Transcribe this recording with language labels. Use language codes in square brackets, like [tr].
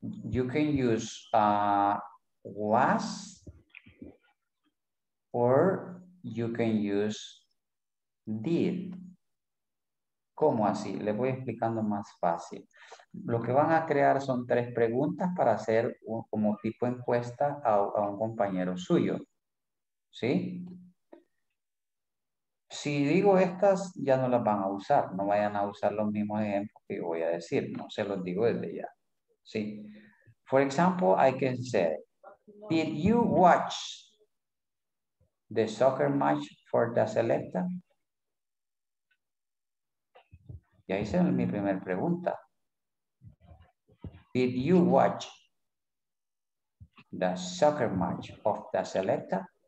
[en] You can use was, or you can use did. [es] ¿Cómo así? Les voy explicando más fácil. Lo que van a crear son 3 preguntas para hacer como tipo encuesta a un compañero suyo. ¿Sí? Si digo estas, ya no las van a usar. No vayan a usar los mismos ejemplos que voy a decir. No se los digo desde ya. ¿Sí? [en] For example, I can say, did you watch the soccer match for the selecta? [es] Ya hice mi primera pregunta. [en] Did you watch the soccer match of the selecta?